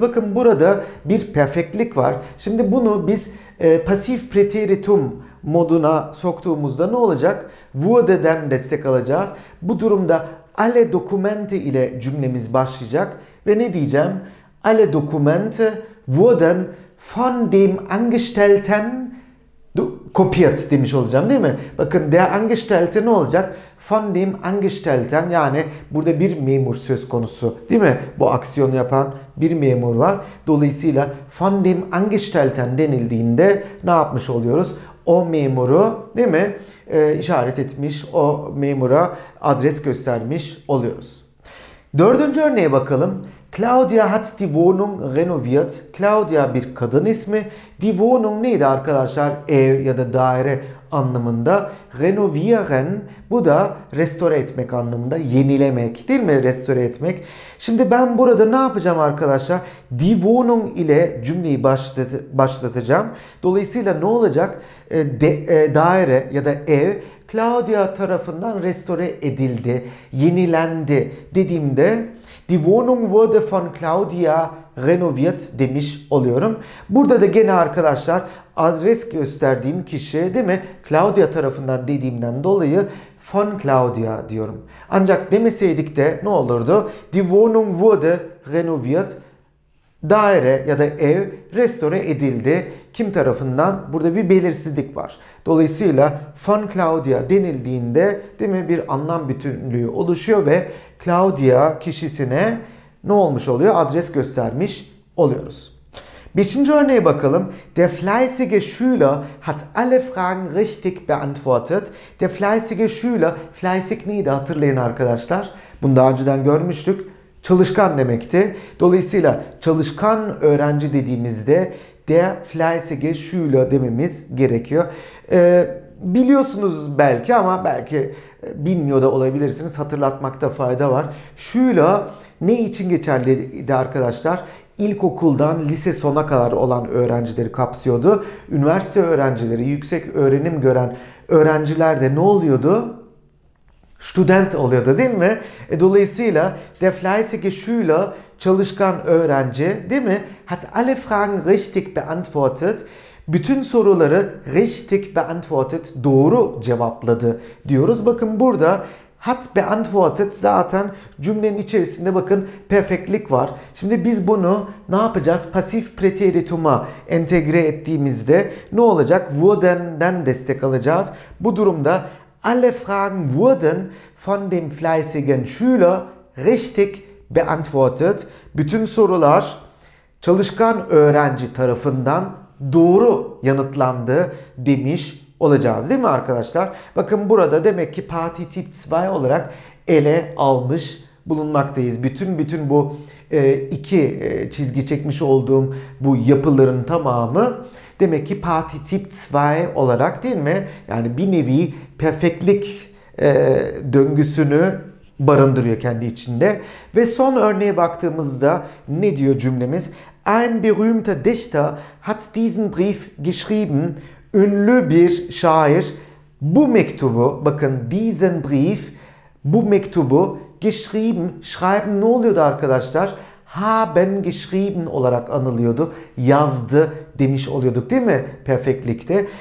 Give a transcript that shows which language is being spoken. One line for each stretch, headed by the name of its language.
Turkish: Bakın burada bir perfektlik var. Şimdi bunu biz pasif preteritum moduna soktuğumuzda ne olacak? Wurde'den destek alacağız. Bu durumda alle Dokumente ile cümlemiz başlayacak. Ve ne diyeceğim?
German: Alle Dokumente wurden von dem Angestellten kopiert
Turkish: demiş olacağım değil mi? Bakın der Angestellte ne olacak?
German: Von dem Angestellten,
Turkish: yani burada bir memur söz konusu değil mi? Bu aksiyonu yapan bir memur var. Dolayısıyla
German: von dem Angestellten
Turkish: denildiğinde ne yapmış oluyoruz? O memuru değil mi? İşaret etmiş, o memura adres göstermiş oluyoruz. Dördüncü örneğe bakalım.
German: Claudia hat die Wohnung renoviert.
Turkish: Claudia bir kadın ismi. Die Wohnung neydi arkadaşlar? Ev ya da daire anlamında. Renovieren bu da restore etmek anlamında. Yenilemek değil mi? Restore etmek. Şimdi ben burada ne yapacağım arkadaşlar?
German: Die Wohnung
Turkish: ile cümleyi başlatacağım. Dolayısıyla ne olacak? Daire ya da ev Claudia tarafından restore edildi. Yenilendi dediğimde
German: Die Wohnung wurde von Claudia renoviert
Turkish: demiş oluyorum. Burada da gene arkadaşlar adres gösterdiğim kişi değil mi? Claudia tarafından dediğimden dolayı
German: von Claudia
Turkish: diyorum. Ancak demeseydik de ne olurdu?
German: Die Wohnung wurde renoviert.
Turkish: Daire ya da ev restore edildi. Kim tarafından? Burada bir belirsizlik var. Dolayısıyla
German: von Claudia
Turkish: denildiğinde değil mi? Bir anlam bütünlüğü oluşuyor ve Claudia kişisine ne olmuş oluyor? Adres göstermiş oluyoruz. Beşinci örneğe bakalım.
German: Der fleißige Schüler hat alle Fragen richtig beantwortet. Der fleißige Schüler,
Turkish: fleißig neydi hatırlayın arkadaşlar. Bunu daha önceden görmüştük. Çalışkan demekti. Dolayısıyla çalışkan öğrenci dediğimizde
German: der fleißige Schüler
Turkish: dememiz gerekiyor. Biliyorsunuz belki ama belki bilmiyor da olabilirsiniz. Hatırlatmakta fayda var. Schüler ne için geçerliydi arkadaşlar? İlkokuldan lise sona kadar olan öğrencileri kapsıyordu. Üniversite öğrencileri, yüksek öğrenim gören öğrenciler de ne oluyordu? Student oluyordu değil mi? Dolayısıyla
German: der fleißige Schüler
Turkish: çalışkan öğrenci değil mi?
German: Hat alle Fragen richtig beantwortet.
Turkish: Bütün soruları
German: richtig beantwortet,
Turkish: doğru cevapladı diyoruz. Bakın burada
German: hat beantwortet
Turkish: zaten cümlenin içerisinde bakın perfektlik var. Şimdi biz bunu ne yapacağız? Pasif preteritum'a entegre ettiğimizde ne olacak? Wurden'den destek alacağız. Bu durumda
German: alle Fragen wurden von dem fleißigen Schüler richtig beantwortet.
Turkish: Bütün sorular çalışkan öğrenci tarafından doğru yanıtlandı demiş olacağız değil mi arkadaşlar? Bakın burada demek ki Partizip 2 olarak ele almış bulunmaktayız. Bütün bu iki çizgi çekmiş olduğum bu yapıların tamamı demek ki Partizip 2 olarak değil mi? Yani bir nevi perfektlik döngüsünü barındırıyor kendi içinde. Ve son örneğe baktığımızda ne diyor cümlemiz?
German: Ein berühmter Dichter hat diesen Brief geschrieben.
Turkish: Ünlü bir şair bu mektubu, bakın
German: diesen Brief,
Turkish: bu mektubu geschrieben. Schreiben ne oluyordu arkadaşlar?
German: Haben geschrieben
Turkish: olarak anılıyordu. Yazdı demiş oluyorduk değil mi? Perfektlikte.